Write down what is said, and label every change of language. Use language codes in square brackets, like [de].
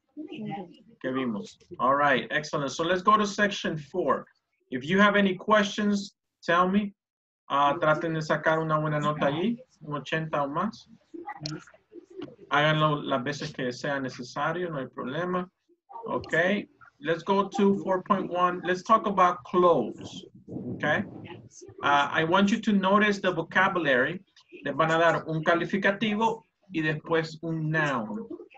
[es] Que vimos. [en] All right, excellent. So let's go to section 4. If you have any questions, tell me. [es] Traten de sacar una buena nota allí, un 80 o más. Háganlo las veces que sea necesario, no hay problema. [en] Okay, let's go to 4.1. Let's talk about clothes. Okay, I want you to notice the vocabulary. [es] Les van a dar un calificativo y después un noun.